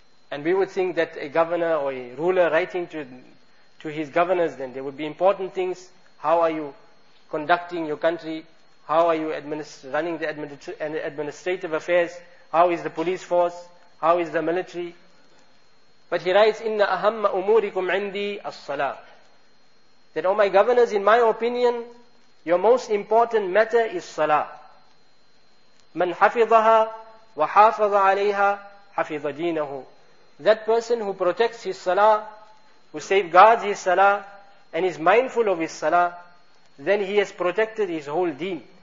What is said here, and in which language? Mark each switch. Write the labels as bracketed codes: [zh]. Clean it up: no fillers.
[en] And we would think that a governor or a ruler writing to his governors, then there would be important things. How are you conducting your country? How are you running the administrative affairs? How is the police force? How is the military? But he writes, [ar] إِنَّ أَهَمَّ أُمُورِكُمْ عِنْدِي الصَّلَاةِ. [en] That, oh my governors, in my opinion, your most important matter is salah. [ar] مَنْ حَفِظَهَا وَحَافَظَ عَلَيْهَا حَفِظَ دِينَهُ. [en] That person who protects his salah, who safeguards his salah, and is mindful of his salah, then he has protected his whole deen.